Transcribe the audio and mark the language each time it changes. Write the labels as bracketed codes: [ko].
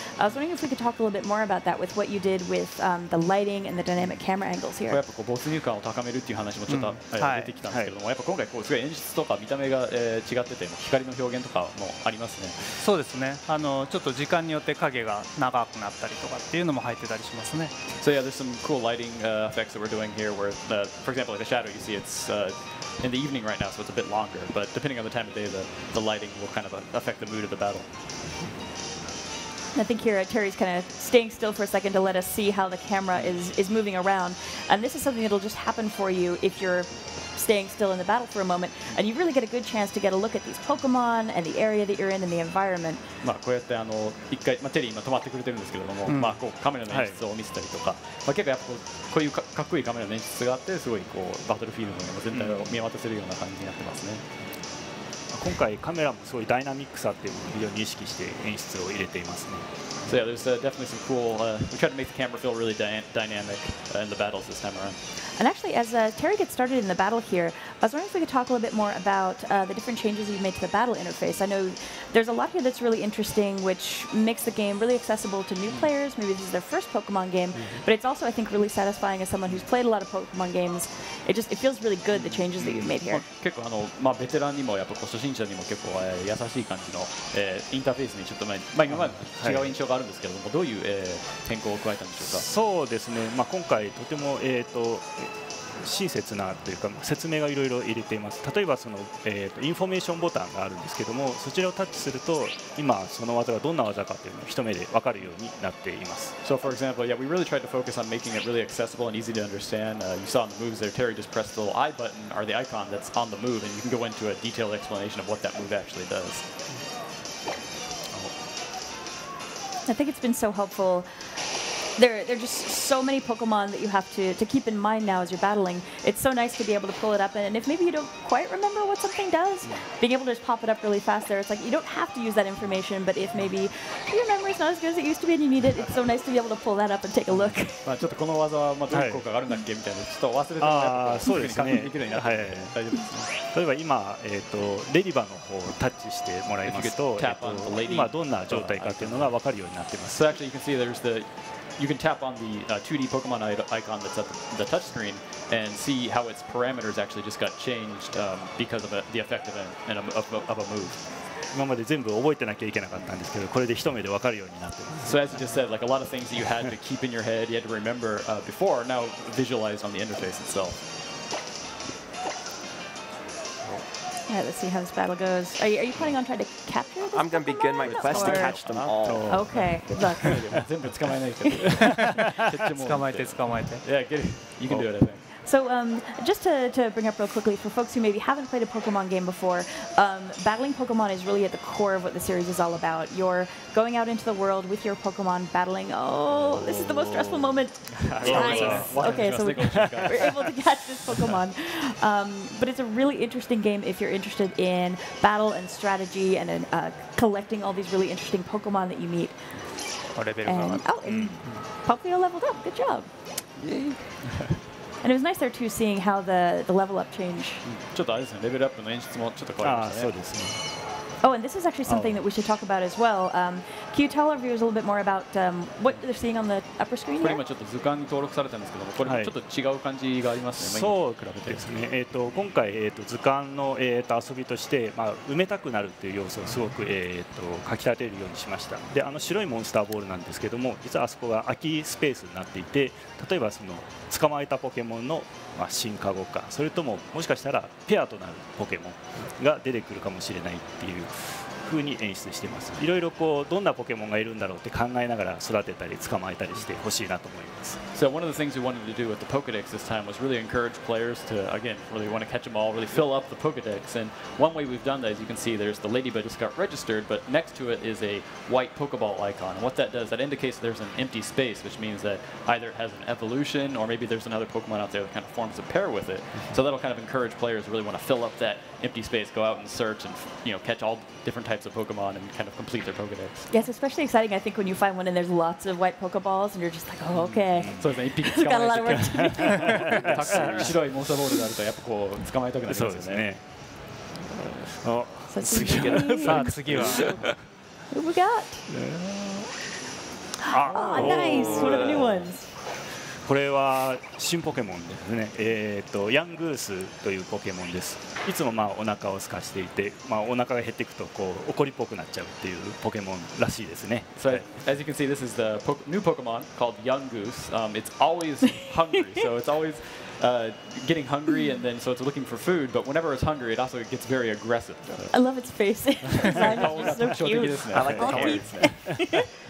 [en] I was wondering if we could talk a little bit more about that with what you did with the lighting and the dynamic camera angles here. [ja] やっぱこう没入感を高めるっていう話もちょっと、はい、出てきたんですけども、はい、やっぱ今回こうすごい演出とか見た目が、違ってて光の表現とかもありますね。そうですね。ちょっと時間によって影が長くなったりとかっていうのも入ってたりしますね。 [en] So yeah, there's some cool lighting effects that we're doing here where, for example, like the shadow you see, it's in the evening right now, so it's a bit longer, but depending on the time of day, the lighting will kind of affect the mood of the battle. I think here Terry's kind of staying still for a second to let us see how the camera is moving around. And this is something that'll just happen for you if you're staying still in the battle for a moment. And you really get a good chance to get a look at these Pokemon and the area that you're in and the environment. [ja] まあこうやって一回、まあ、テリー今止まってくれてるんですけども、うん、まあこうカメラの演出を見せたりとか、はい、まあ結構やっぱこういう かっこいいカメラの演出があってすごいこうバトルフィールドの全体を見渡せるような感じになってますね。今回カメラもすごいダイナミックさっていうのを非常に意識して演出を入れていますね。 [en] So yeah, there's definitely some cool. We try to make the camera feel really dynamic in the battles this time around. And actually, as Terry gets started in the battle here, I was wondering if we could talk a little bit more about the different changes you've made to the battle interface. I know there's a lot here that's really interesting, which makes the game really accessible to new players. Maybe this is their first Pokemon game, but it's also, I think, really satisfying as someone who's played a lot of Pokemon games. It feels really good, the changes that you've made here. [ja] 結構まあベテランにもやっぱ初心者にも結構優しい感じのインターフェースにちょっと今まで違う印象があるんですけども、どういう変更を加えたんでしょうか。そうですね。まあ今回とても親切なというか説明がいろいろ入れています。例えばそのインフォメーションボタンがあるんですけども、そちらをタッチすると今その技がどんな技かというのを一目で分かるようになっています。 [en] So for example, yeah, we really tried to focus on making it really accessible and easy to understand. You saw in the moves there, Terry just pressed the little eye button or the icon that's on the move, and you can go into a detailed explanation of what that move actually does. I think it's been so helpful. There are just so many Pokemon that you have to keep in mind now as you're battling. It's so nice to be able to pull it up, and if maybe you don't quite remember what something does, being able to just pop it up really fast there, it's like you don't have to use that information, but if maybe your memory's not as good as it used to be and you need it, it's so nice to be able to pull that up and take a look. [ja] まあちょっとこの技はどういう効果があるんだっけみたいな、ちょっと忘れてた。ああ、そうですね。できるようになって、大丈夫ですね。例えば今、レディバの方をタッチしてもらいますと、今どんな状態かっていうのが分かるようになってます。 [en] So actually you can see there's theYou can tap on the 2D Pokemon icon that's at the touch screen and see how its parameters actually just got changed because of the effect of a move. [ja] 今まで全部覚えてなきゃいけなかったんですけど、これで一目で分かるようになってます。 [en] So as you just said, like a lot of things that you had to keep in your head, you had to remember before, now visualized on the interface itself. Yeah, let's see how this battle goes. Are you planning on trying to capture this? I'm going to begin my quest to catch them all. Okay, look. [ja] 全部捕まえないけど。捕まえて、捕まえて。 [en] Yeah, get it. You can do it, I think. So just to bring up real quickly, for folks who maybe haven't played a Pokemon game before, battling Pokemon is really at the core of what the series is all about. You're going out into the world with your Pokemon, battling. Oh, this is the most stressful moment. Nice. Okay, so we're able to catch this Pokemon. But it's a really interesting game if you're interested in battle and strategy and collecting all these really interesting Pokemon that you meet. And Popplio leveled up. Good job. Yay. And it was nice there too, seeing how the level up changed. [ja] ちょっとあれですね、レベルアップの演出もちょっと変わりましたね。ああ、そうですね。 [en] Oh, and this is actually something that we should talk about as well. Can you tell our viewers a little bit more about what they're seeing on the upper screen here? [ja] これ今ちょっと図鑑に登録されたんですけども、これもちょっと違う感じがありますね。そう比べてですね。今回図鑑の遊びとして、まあ埋めたくなるっていう要素をすごく書き立てるようにしました。で、白いモンスターボールなんですけども、実はあそこが空きスペースになっていて、例えばその捕まえたポケモンの進化後か、それとももしかしたらペアとなるポケモンが出てくるかもしれないっていう。風に演出しています。いろいろこうどんなポケモンがいるんだろうって考えながら育てたり捕まえたりしてほしいなと思います。 [en] So one of the things we wanted to do with the Pokedex this time was really encourage players to again really want to catch them all, really fill up the Pokedex. And one way we've done that, as you can see, there's the ladybug just got registered, but next to it is a white Pokeball icon. And what that does, that indicates there's an empty space, which means that either it has an evolution or maybe there's another Pokemon out there that kind of forms a pair with it. So that'll kind of encourage players to really want to fill up that empty space, go out and search and catch all different types of Pokemon and kind of complete their Pokedex. Yes, especially exciting, I think, when you find one and there's lots of white Pokeballs and you're just like, oh, okay. So it's an EP. It's got a lot of work to do. There's a lot of monster balls that are to, yeah, [ja] こう捕まえたくなりますね。そうですね。そう。次は。さあ次は。 [en] Who we got? Oh, nice. One of the new ones. [ja] これは新ポケモンですね、ヤングースというポケモンです。いつもまあお腹を空かしていて、まあ、お腹が減っていくとこう怒りっぽくなっちゃうっていうポケモンらしいですね。 [en] So as you can see, this is the new Pokemon called Young Goose. It's always hungry, so it's always getting hungry, and then so it's looking for food, but whenever it's hungry, it also gets very aggressive. I love its face. It's so cute. I like the color.